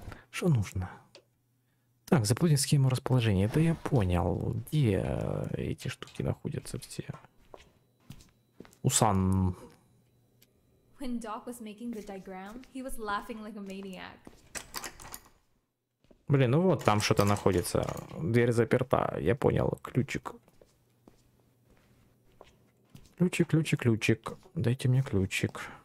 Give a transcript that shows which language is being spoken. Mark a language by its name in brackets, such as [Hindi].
[Russian] Что нужно? Так, заполнить схему расположения. Это я понял. Где эти штуки находятся все? Усан. [English] When Doc was making the diagram, he was laughing like a maniac. [Russian] Блин, ну вот там что-то находится. Дверь заперта. Я понял. Ключик. Ключик, ключик, ключик. Дайте мне ключик.